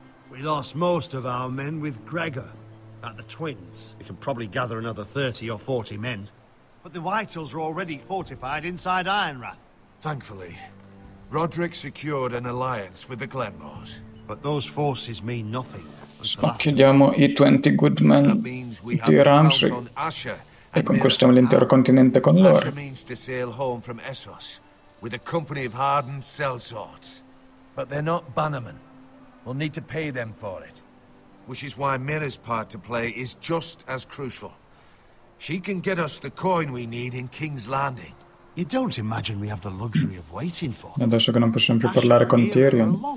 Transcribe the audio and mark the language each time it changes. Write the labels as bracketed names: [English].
[English] We lost most of our men with Gregor at the Twins. We can probably gather another 30 or 40 men. But the Whitehills are already fortified inside Ironwrath. Thankfully, Rodrik secured an alliance with the Glenmores. But those forces mean nothing. [Italian] Spacchiamo i 20 [English] good men [Italian] di Ramsey e conquistiamo l'intero continente con loro. [English] Asher means to sail home from Essos with a company of hardened sellswords. But they're not bannermen. We'll need to pay them for it. Which is why Mira's part to play is just as crucial. She can get us the coin we need in King's Landing. You don't imagine we have the luxury of waiting for them. [Italian] Adesso che non possiamo più parlare con Tyrion.